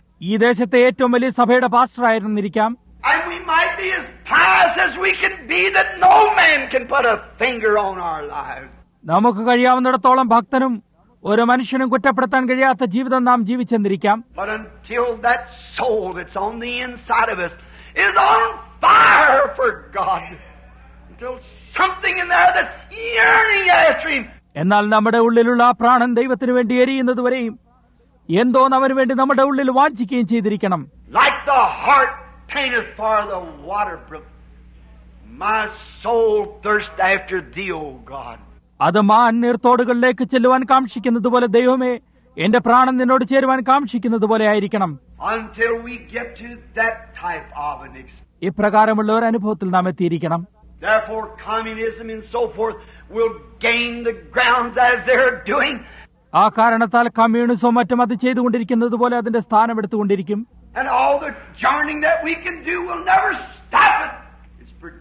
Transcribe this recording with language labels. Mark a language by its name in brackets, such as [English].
[Malayalam] ഈ ദേശത്തെ ഏറ്റവും വലിയ സഭയുടെ പാസ്റ്ററായിരുന്നിരിക്കാം. [English] And we might be as pious as we can be that no man can put a finger on our lives. [Malayalam] നമുക്ക് കഴിയാവുന്നിടത്തോളം ഭക്തനും ഒരു മനുഷ്യനും കുറ്റപ്പെടുത്താൻ കഴിയാത്ത ജീവിതം നാം ജീവിച്ചെന്നിരിക്കാം. [English] But until that soul that's on the inside of us is on fire for God, until something in there that's yearning after him. [Malayalam] എന്നാൽ നമ്മുടെ ഉള്ളിലുള്ള ആ പ്രാണൻ ദൈവത്തിനു വേണ്ടി എരിയുന്നതുവരെയും എന്തോ അവന് വേണ്ടി നമ്മുടെ ഉള്ളിൽ വാഞ്ചിക്കുകയും ചെയ്തിരിക്കണം. [English] Like the heart painteth for the water brook, my soul thirsts after thee, O God. [Malayalam] അതുമാൻ നീർത്തോടുകളിലേക്ക് ചെല്ലുവാൻ കാംക്ഷിക്കുന്നതുപോലെ ദൈവമേ എന്റെ പ്രാണൻ നിന്നോട് ചേരുവാൻ കാംക്ഷിക്കുന്നതുപോലെ ആയിരിക്കണം. [English] Until we get to that type of an experience. [Malayalam] ഇപ്രകാരമുള്ള ഒരു അനുഭവത്തിൽ നാം എത്തിയിരിക്കണം. [English] Therefore communism and so forth will gain the grounds as they are doing. [Malayalam] ആ കാരണത്താൽ കമ്മ്യൂണിസം മറ്റും അത് ചെയ്തുകൊണ്ടിരിക്കുന്നതുപോലെ അതിന്റെ സ്ഥാനം എടുത്തുകൊണ്ടിരിക്കും. [English] And all the journeying that we can do will never stop it. It's